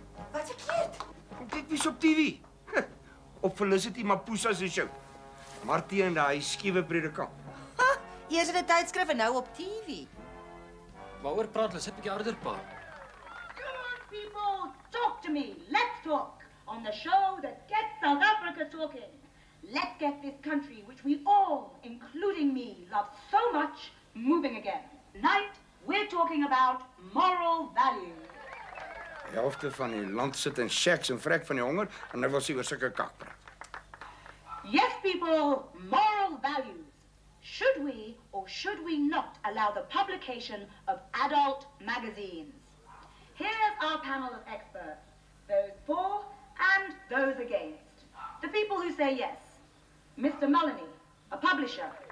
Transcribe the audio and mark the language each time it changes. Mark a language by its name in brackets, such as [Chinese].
[Afrikaans] Wat is verkeerd? Kom dit wie's op TV? Op Felicity Mapusa se show. Martie en daai skewe predikant. Ha! Eers in 'n tydskrif en nou op TV. Waaroor praat hulle? Sit 'n bietjie harder, pa. [English] Come on, people! Talk to me! Let's talk! On the show that gets South Africa talking! Let's get this country, which we all, including me, love so much, moving again. Tonight, we're talking about moral values. [Afrikaans] Die helfte van die land sit in shacks en vrek van die honger, en hy wil sy oor sulke kak praat. [English] Yes, people, moral values. Should we or should we not allow the publication of adult magazines? Here's our panel of experts, those for and those against. The people who say yes. Mr. Mullany, a publisher.